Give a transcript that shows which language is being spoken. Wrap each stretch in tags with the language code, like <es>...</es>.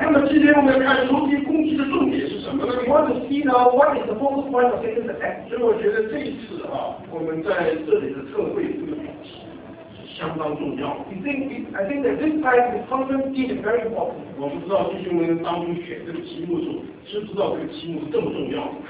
<zh>那么今天我们看仇敌攻击的重点是什么呢</zh> <en>？We want to see now what is the focal point of Satan's attack.</en> <zh>所以我觉得这一次啊，我们在这里的特会这个主题相当重要。</zh> <en>I think that this time the conference is very important.</en> <zh>我不知道弟兄们当初选这个题目的时候，知不知道这个题目这么重要。</zh>